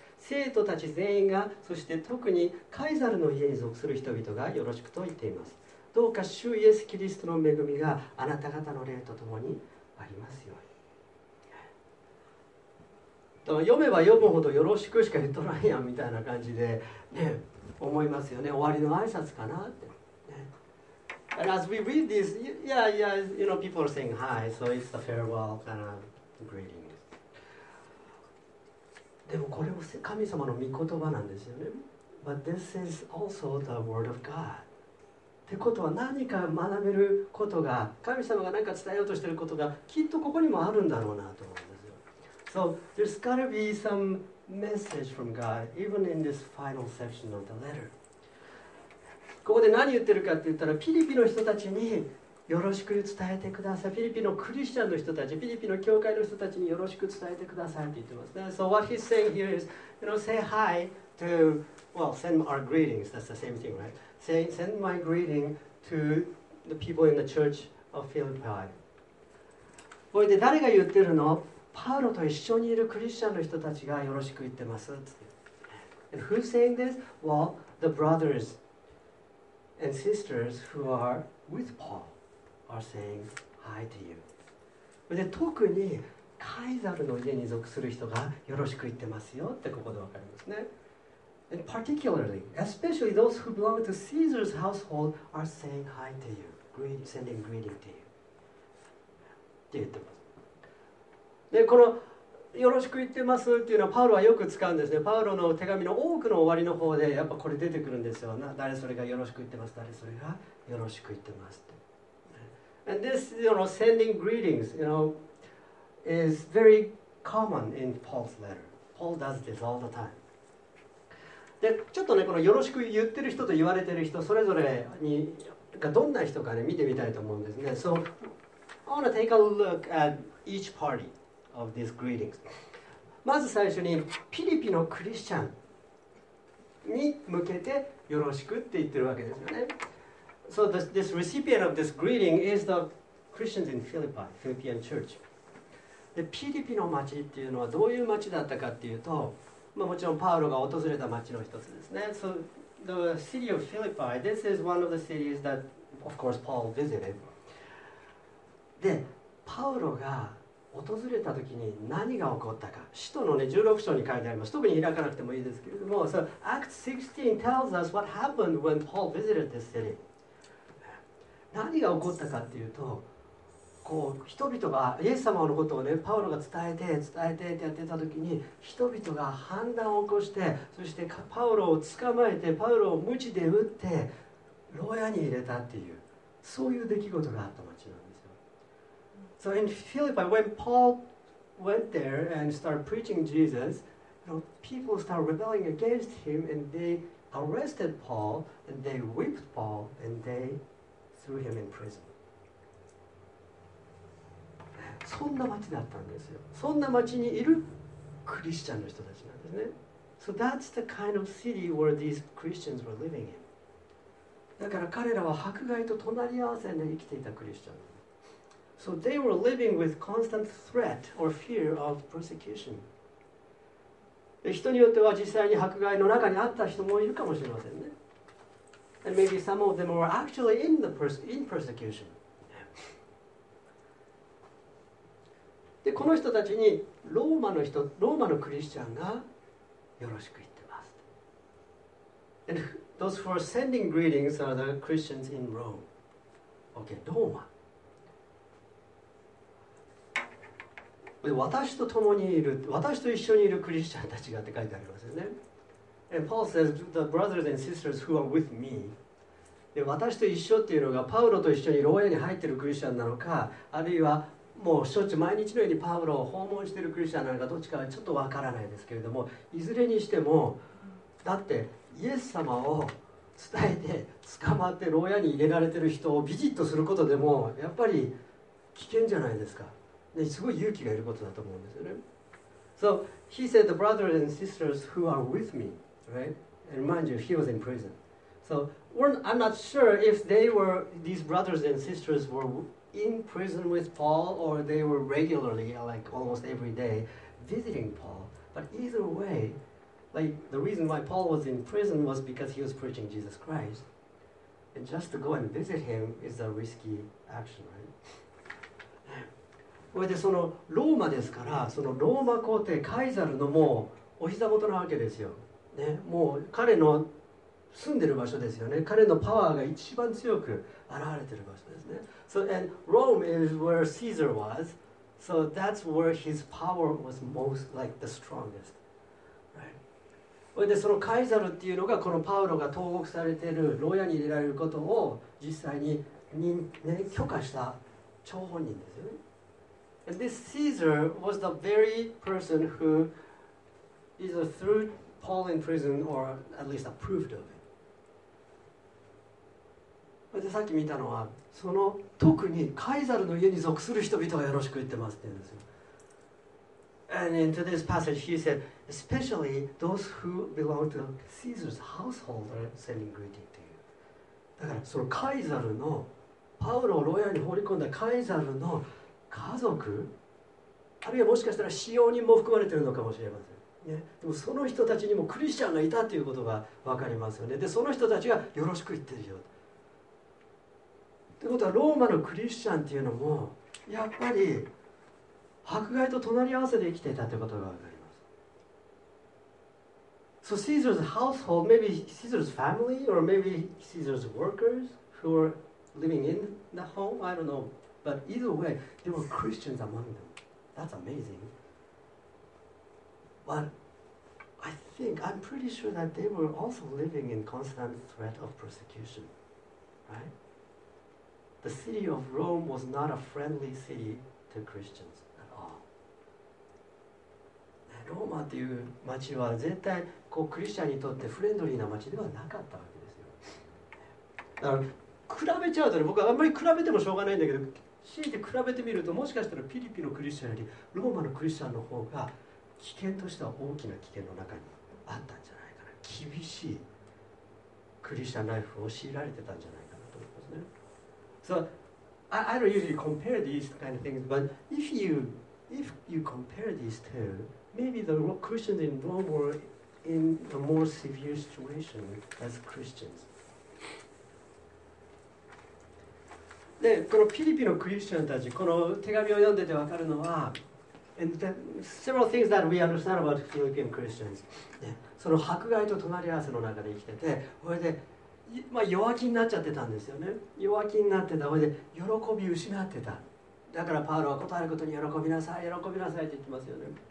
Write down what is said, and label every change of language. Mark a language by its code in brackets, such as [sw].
[ja] 聖徒たち全員が、そして特にカイザルの家に属する人々がよろしくと言っています。どうか主イエスキリストの恵みがあなた方の霊とともにありますように。読めば読むほどよろしくしか言っとらんやんみたいな感じで、ね、思いますよね。終わりの挨拶かなって。 [en] And as we read this, you know, people are saying hi, so it's the farewell kind of greeting. [ja] でもこれも神様の御言葉なんですよね。 [en] But this is also the word of God. [ja] ってことは、何か学べることが、神様が何か伝えようとしていることがきっとここにもあるんだろうなと。 [en] So there's got to be some message from God, even in this final section of the letter. [ja] ここで何言ってるかって言ったら、フィリピの人たちによろしく伝えてください。フィリピのクリスチャンの人たち、フィリピの教会の人たちによろしく伝えてくださいって言ってますね。 [en] So what he's saying here is, you know, say hi to, well, send our greetings. That's the same thing, right? Send my greeting to the people in the church of Philippi. [ja] これで誰が言ってるの？パウロと一緒にいるクリスチャンの人たちがよろしく言ってますって。 [en] And who's saying this? Well, the brothers and sisters who are with Paul are saying hi to you. [ja] で、特にカイザルの家に属する人がよろしく言ってますよってここでわかりますね。 [en] And particularly, especially those who belong to Caesar's household are saying hi to you, sending greeting to you [ja] って言ってます。で、このよろしく言ってますっていうのはパウロはよく使うんですね。パウロの手紙の多くの終わりの方でやっぱこれ出てくるんですよ。誰それがよろしく言ってます、誰それがよろしく言ってますって。 [en] And this, you know, sending greetings, you know, is very common in Paul's letter. Paul does this all the time. [ja] で、ちょっとね、このよろしく言ってる人と言われてる人、それぞれにがどんな人かね、見てみたいと思うんですね。 [en] So, I want to take a look at each party. Of these greetings. [ja] まず最初にフィリピのクリスチャンに向けてよろしくって言ってるわけですよね。 [en] So this recipient of this greeting is the Christians in Philippi, Philippian Church. [ja] で、フィリピの町っていうのはどういう町だったかっていうと、まあ、もちろんパウロが訪れた町の一つですね。 [en] So the city of Philippi, this is one of the cities that, of course, Paul visited. [ja] で、パウロが訪れた時に何が起こったか、使徒の、ね、16章に書いてあります。特に開かなくてもいいですけれども、 [en] So Acts 16 tells us what happened when Paul visited this city。 [ja] 何が起こったかっていうと、こう人々がイエス様のことをね、パウロが伝えてってやってた時に、人々が反乱を起こして、そしてパウロを捕まえて、パウロを鞭で打って牢屋に入れたっていう、そういう出来事があった町なんです。 [en] So in Philippi, when Paul went there and started preaching Jesus, you know, people started rebelling against him and they arrested Paul and they whipped Paul and they threw him in prison. [ja] そんな町だったんですよ。そんな町にいるクリスチャンの人たちなんですね。 [en] So that's the kind of city where these Christians were living in. [ja] だから彼らは迫害と隣り合わせで生きていたクリスチャン。 [en] So they were living with constant threat or fear of persecution. [ja] 人によっては実際に迫害の中にあった人もいるかもしれませんね。 [en] And maybe some of them were actually in persecution. [ja] で、この人たちにローマのクリスチャンがよろしく言ってます。 [en] And those who are sending greetings are the Christians in Rome. [ja] Okay, ローマ。私と共にいる、私と一緒にいるクリスチャンたちがって書いてありますよね。 [en] And Paul says, the brothers and sisters who are with me. [ja] で、私と一緒っていうのが、パウロと一緒に牢屋に入ってるクリスチャンなのか、あるいはもうしょっちゅう毎日のようにパウロを訪問しているクリスチャンなのか、どっちかはちょっとわからないですけれども、いずれにしても、だってイエス様を伝えて捕まって牢屋に入れられている人をビジットすることでも、やっぱり危険じゃないですか。ね、すごい勇気がいることだと思うんですよね。 [en] So he said the brothers and sisters who are with me, right? And mind you, he was in prison. So I'm not sure if they were, these brothers and sisters were in prison with Paul or they were regularly, like almost every day, visiting Paul. But either way, like the reason why Paul was in prison was because he was preaching Jesus Christ. And just to go and visit him is a risky action, right? [ja] これでそのローマですから、そのローマ皇帝カイザルのもうお膝元なわけですよ、ね、もう彼の住んでる場所ですよね。彼のパワーが一番強く現れてる場所ですね。 [en] So and Rome is where Caesar was. So that's where his power was most like the strongest、right? [ja] これでそのカイザルっていうのが、このパウロが投獄されている牢屋に入れられることを実際 に許可した張本人ですよね。 [en] And this Caesar was the very person who either threw Paul in prison or at least approved of it. [ja] さっき見たのは、その特にカイザルの家に属する人々がよろしく言ってますって言うんですよ。 [en] And in today's passage he said, especially those who belong to Caesar's household are sending greeting to you. [ja] だからそのカイザルの、パウロを牢屋に放り込んだカイザルの家族、あるいはもしかしたら使用人も含まれているのかもしれません、ね、でもその人たちにもクリスチャンがいたということが分かりますよね。でその人たちがよろしく言ってるよということは、ローマのクリスチャンっていうのもやっぱり迫害と隣り合わせで生きていたということが分かります。 [en] So Caesar's household, maybe Caesar's family or maybe Caesar's workers who were living in the home, I don't know.But either way, there were Christians among them. That's amazing. But I think, I'm pretty sure that they were also living in constant threat of persecution, right? The city of Rome was not a friendly city to Christians at all. [ja] ローマという街は絶対こうクリスチャンにとってフレンドリーな街ではなかったわけですよ。だから比べちゃうとね、僕はあんまり比べてもしょうがないんだけど、強いて比べてみると、もしかしたらピリピのクリスチャンよりローマのクリスチャンの方が危険としては大きな危険の中にあったんじゃないかな。厳しいクリスチャンライフを強いられてたんじゃないかなと思いますね。 [en] So I don't usually compare these kind of things, but if you compare these two, maybe the Christians in Rome were in a more severe situation as Christians. [ja] で、このピリピのクリスチャンたち、この手紙を読んでて分かるのは、 [en] And the, several things that we understand about Philippian Christians. [ja] で、その迫害と隣り合わせの中で生きてて、これで、まあ、弱気になっちゃってたんですよね。弱気になってた、これで喜び失ってた。だからパウロはことあることに喜びなさい、喜びなさいって言ってますよね。